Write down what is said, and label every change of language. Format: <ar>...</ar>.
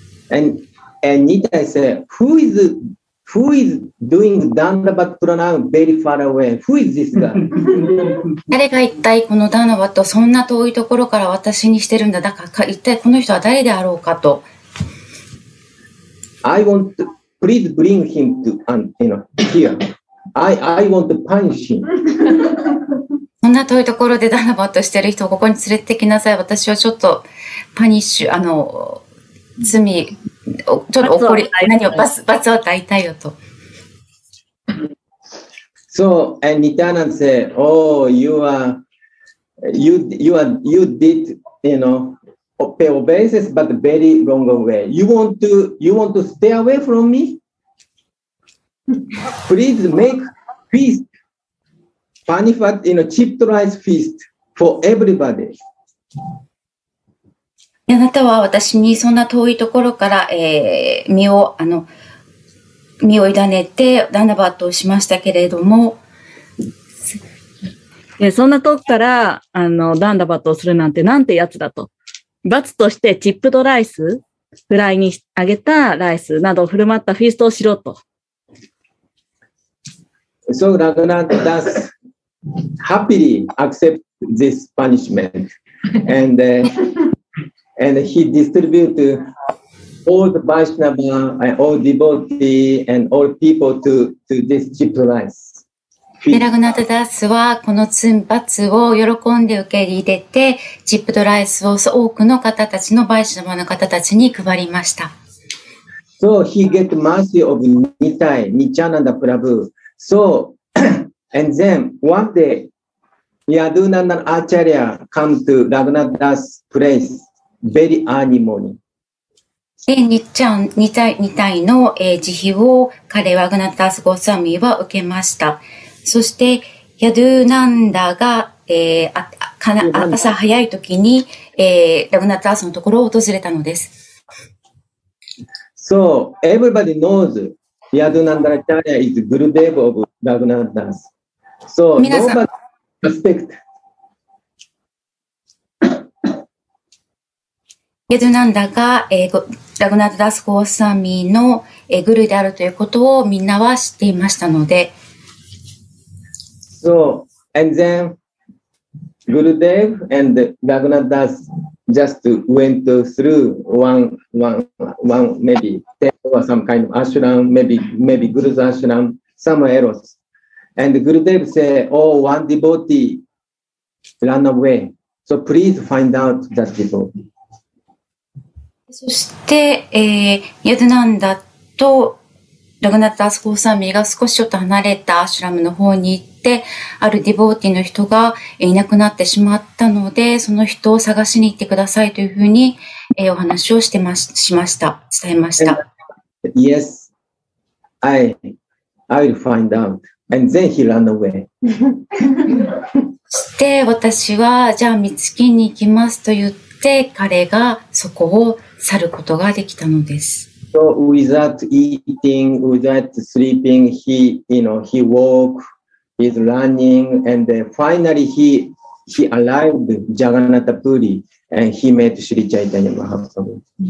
<en>And Nithai said, who is doing Dandavat Pranam very far away? Who is this guy?</en> <ja>誰が一体このダンダバットそんな遠いところから私にしてるんだ。だから一体この人は誰であろうかと。</ja> <en>I want to please bring him to, you know, here. I want to punish him.</en> <ja>そんな遠いところでダンダバットしてる人をここに連れてきなさい。私はちょっとパニッシュ、罪、ちょっと怒り、何を罰を与えたいよと。</ja> <en>So, and Nithyananda said, oh, you did, you know, pay obeisance, but very wrong way. You want to stay away from me? Please make feast, Panipat, you know, chipped rice feast for everybody.</en> <ja>あなたは私にそんな遠いところから、身を委ねてダナバットをしましたけれども、そんな遠くからダナバットをするなんてなんてやつだと、罰としてチップドライス、フライにあげたライスなどを振る舞ったフィーストをしろと。</ja> <en>So Raghunath Das happily accept this punishment andand he distribute all the Vaishnava and all devotee and all people to this chip rice.</en> <ja>ラグナタダスはこの罰を喜んで受け入れて、チップドライスを多くの方たちの、バイシナバの方たちに配りました。</ja> <en>So he get mercy of Nithai, Nityananda Prabhu. So, and then one day, Yadunanda Acharya come to Raghunath Das place. Very animony.</en> <ja>で、二体の、慈悲を彼はラグナタダスゴスワミは受けました。そしてヤドゥナンダが、朝早い時に、ラグナタダスのところを訪れたのです。</ja> <en>So everybody knows Yadunanda Acharya is Gurudev of Raghunath Das. So nobody suspect.</en> <ja>ヤドゥナンダが、ラグナタダスゴスワミの、グルであるということをみんなは知っていましたので。</ja> <en>So, and then, Gurudev and Raghunath Das just went through one, maybe temple or some kind of ashram, maybe Guru's ashram, somewhere else. And Gurudev said, oh, one devotee ran away. So please find out that devotee.</en> <ja>そして、ヤドゥナンダとラグナタスゴーサミが少しちょっと離れたアシュラムの方に行って、あるディボーティの人がいなくなってしまったので、その人を探しに行ってくださいというふうに、お話をしてました。伝えました。</ja> <en>Yes, I'll find out. And then he ran away.</en> <ja>して、私は、じゃあ見つけに行きますと言って、彼がそこを去ることができたのです。</ja> <en>So without eating, without sleeping, he, you know, he walk, he's running, and finally he arrived Jagannatha Puri, and he met Sri Chaitanya Mahaprabhu.</en>